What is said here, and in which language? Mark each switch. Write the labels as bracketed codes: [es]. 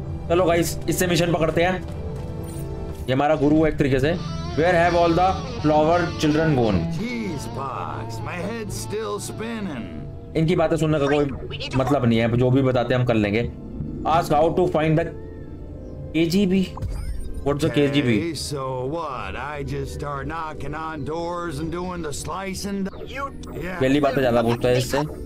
[hi] चलो गाइस इससे मिशन पकड़ते हैं ये हमारा गुरु है एक तरीके से [en] where have all the flower children gone [hi] इनकी बातें सुनने का कोई मतलब नहीं है जो भी बताते हैं हम कर लेंगे [en] Ask how to find the KGB What's a KGB? Okay, so what? I just start knocking on doors and doing the slicing. [hi] पहली बात तो ज़्यादा पूछता है इससे.